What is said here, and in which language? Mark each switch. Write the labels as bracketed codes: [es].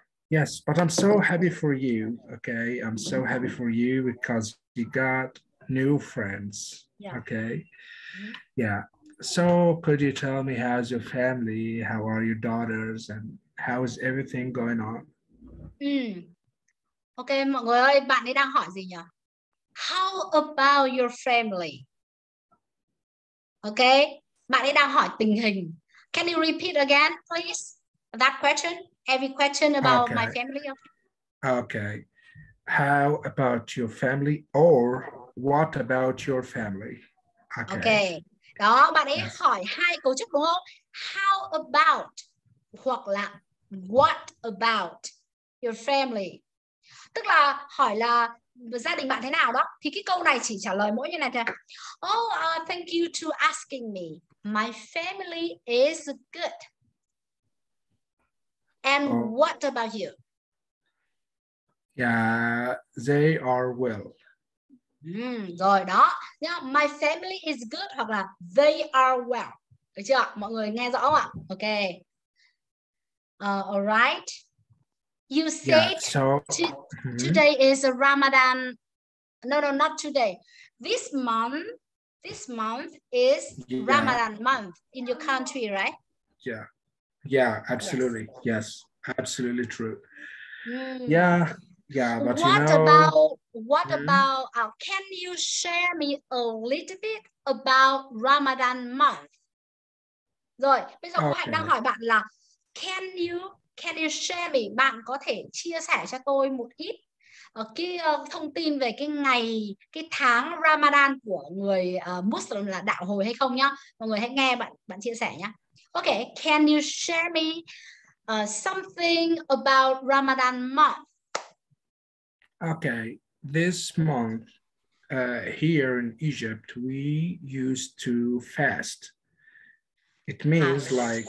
[en] Yes, but I'm so happy for you, okay? I'm so happy for you because you got new friends, yeah. Okay? Mm-hmm. Yeah, so could you tell me how's your family? How are your daughters and how is everything going on? [vi] Ok, mọi người ơi, bạn ấy đang hỏi gì nhỉ? [en] How about your family? [vi] Ok, bạn ấy đang hỏi tình hình. [en] Can you repeat again, please? That question, every question about okay. My family. Ok, how about your family or what about your family? [vi] Ok, đó, bạn ấy yes. Hỏi hai cấu trúc đúng không? [en] How about [vi] hoặc là [en] what about your family? [vi] Tức là hỏi là gia đình bạn thế nào đó. Thì cái câu này chỉ trả lời mỗi như này thôi. [en] Thank you to asking me. My family is good. And what about you? Yeah, they are well. [vi] Rồi đó. [en] Yeah, my family is good [vi] hoặc là [en] they are well. [vi] Được chưa? Mọi người nghe rõ không ạ? [en] Okay. All right. You said yeah, so, today is a Ramadan. No, not today. This month is Ramadan month in your country, right? Yeah, absolutely. Yes absolutely true. Yeah, but about can you share me a little bit about Ramadan month? [vi] Rồi, bây giờ cô Hạnh đang hỏi bạn là [en] Can you share me? [vi] Bạn có thể chia sẻ cho tôi một ít thông tin về cái ngày, cái tháng Ramadan của người Muslim là đạo hồi hay không nhá? Mọi người hãy nghe bạn chia sẻ nhá. [en] Okay, can you share me something about Ramadan month? Okay, this month here in Egypt we used to fast. It means like